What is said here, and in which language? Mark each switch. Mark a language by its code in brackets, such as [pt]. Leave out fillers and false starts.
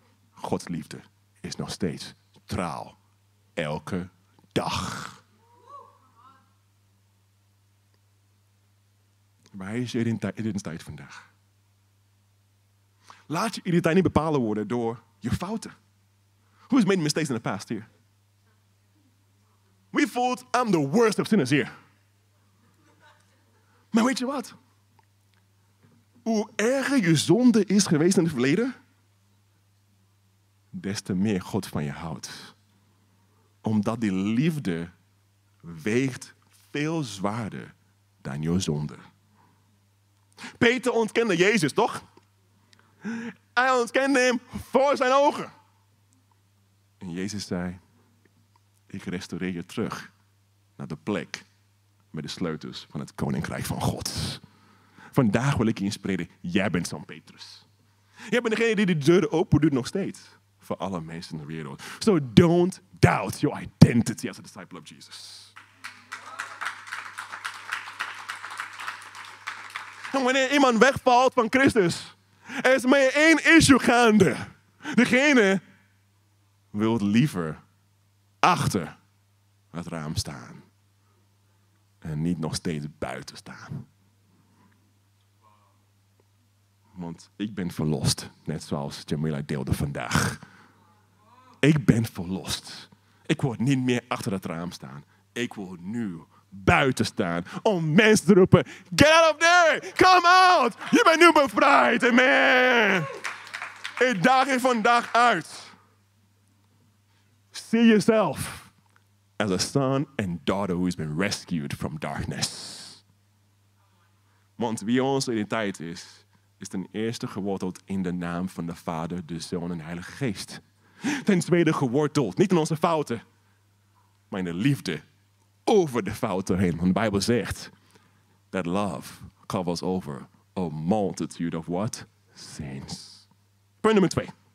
[nl] Gods liefde is nog steeds trouw. Elke dag. Maar hij is je identiteit vandaag. Laat je identiteit niet bepalen worden door je fouten. [en] Who has made mistakes in the past here? We thought I'm the worst of sinners here. [nl] Maar weet je wat? Hoe erger je zonde is geweest in het verleden, des te meer God van je houdt. Omdat die liefde weegt veel zwaarder dan je zonde. Peter ontkende Jezus, toch? Hij ontkende hem voor zijn ogen. En Jezus zei, ik restaureer je terug naar de plek met de sleutels van het koninkrijk van God. Vandaag wil ik je inspireren, jij bent zo'n Petrus. Jij bent degene die de deuren open doet nog steeds voor alle mensen in de wereld. [en] So don't doubt your identity as a disciple of Jesus. [nl] En wanneer iemand wegvalt van Christus, er is maar één issue gaande. Degene wil liever achter het raam staan en niet nog steeds buiten staan. Want ik ben verlost, net zoals Jamila deelde vandaag. Ik ben verlost. Ik wil niet meer achter dat raam staan. Ik wil nu buiten staan om mensen te roepen. [en] Get out of there! Come out! [nl] Je bent nu bevrijd, amen! Ik daag je vandaag uit. [en] See yourself as a son and daughter who has been rescued from darkness. [nl] Want wie onze identiteit is, is ten eerste geworteld in de naam van de Vader, de Zoon en de Heilige Geest. Ten tweede geworteld, niet in onze fouten, maar in de liefde over de fouten heen. Want de Bijbel zegt, [en] that love covers over a multitude of what? Sins. [nl] Punt nummer 2.